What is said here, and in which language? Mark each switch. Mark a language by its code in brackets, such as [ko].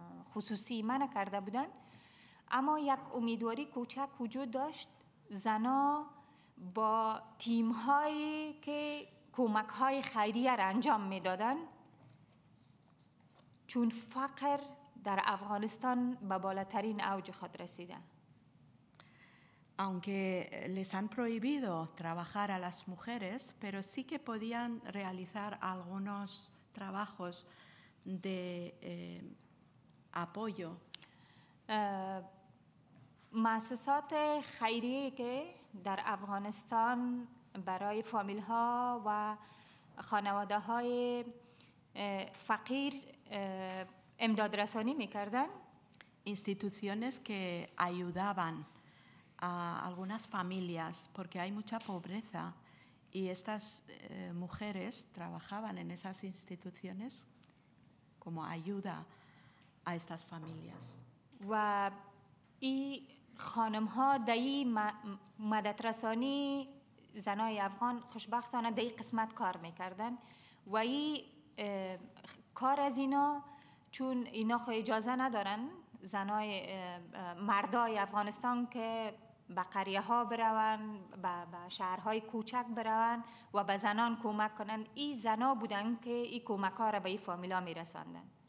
[fa] khususi mana karda budan ama yak umidwari kochak wujood dasht zana ba team hay ke komak hay khairiya ra anjam midadan چون فقر در افغانستان به بالاترین اوج خود رسیده. [es] Aunque les han prohibido trabajar a las mujeres, pero sí que podían realizar algunos trabajos de apoyo. [fa] مؤسسات خیریه که در افغانستان برای فامیل ها و خانواده های فقیر امداد رسانی میکردن. [es] Instituciones que ayudaban a algunas familias porque hay mucha pobreza y estas mujeres trabajaban en esas instituciones como ayuda a estas familias. [fa] و ای خانم ها در این مدد رسانی زنای افغان خوشبختانه در این قسمت کار میکردن و ای کار از اینا چون اینا خو اجازه ندارن زنای مردای افغانستان که به قریه ها برون به شهرهای کوچک برون و به زنان کمک کنن این زنا بودن که این کمک ها را به این فامیلا می رساندن